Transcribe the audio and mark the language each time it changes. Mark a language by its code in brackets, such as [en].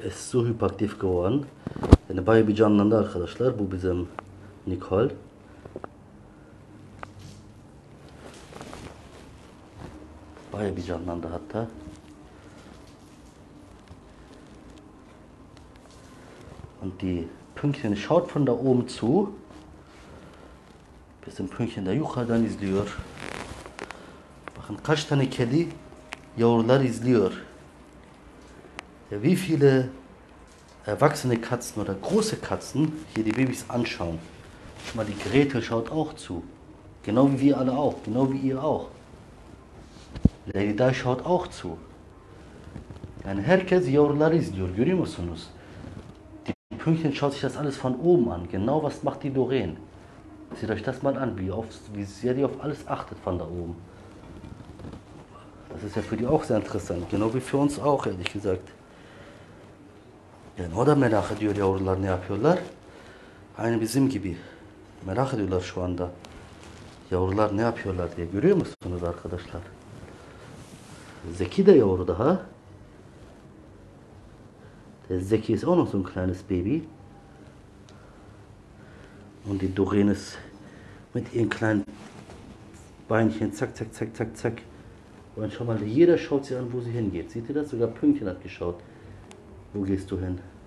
[de] So hyperaktif geworden. [tr] Yani bayağı bir canlandı arkadaşlar. Bu bizim Nicole. Bayağı bir canlandı hatta. [de] Und die Pünktchen schaut von da oben zu. [tr] Bizim Pünktchen da yukarıdan izliyor. Bakın kaç tane kedi yavrular izliyor. [de] Ja, wie viele erwachsene Katzen oder große Katzen hier die Babys anschauen. Schau mal, die Grete schaut auch zu. Genau wie wir alle auch. Genau wie ihr auch. Lady Di schaut auch zu. [tr] Yani herkes yavruları izliyor. Görüyor musunuz? [de] Die Pünktchen schaut sich das alles von oben an. Genau was macht die Doreen. Seht euch das mal an, wie sehr die auf alles achtet von da oben. Das ist ja für die auch sehr interessant. Genau wie für uns auch, ehrlich gesagt. [tr] Yani o da merak ediyor yavrular ne yapıyorlar. Aynı bizim gibi. Merak ediyorlar şu anda. Yavrular ne yapıyorlar diye. Görüyor musunuz arkadaşlar? Zeki de yavru daha. [de] Zeki ist auch noch so ein kleines Baby. Und die Doreen ist mit ihren kleinen Beinchen zack, zack, zack, zack, zack. Und schau mal, jeder schaut sie an, wo sie hingeht. Seht ihr das? Sogar Pünktchen hat geschaut. Wo gehst du hin?